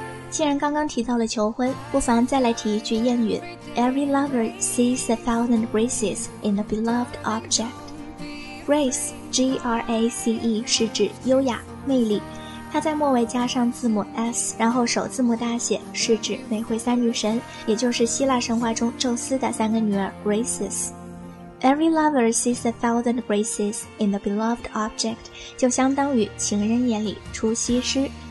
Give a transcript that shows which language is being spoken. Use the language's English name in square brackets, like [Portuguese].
[Chinese] 既然刚刚提到了求婚，不妨再来提一句谚语： [English] Every lover sees a thousand graces in a beloved object. [Chinese] Grace, G-R-A-C-E 是指优雅、魅力，它在末尾加上字母 S， 然后首字母大写，是指美惠三女神，也就是希腊神话中宙斯的三个女儿 Graces。 [English] Every lover sees a thousand graces in the beloved object， [Chinese] 就相当于情人眼里出西施。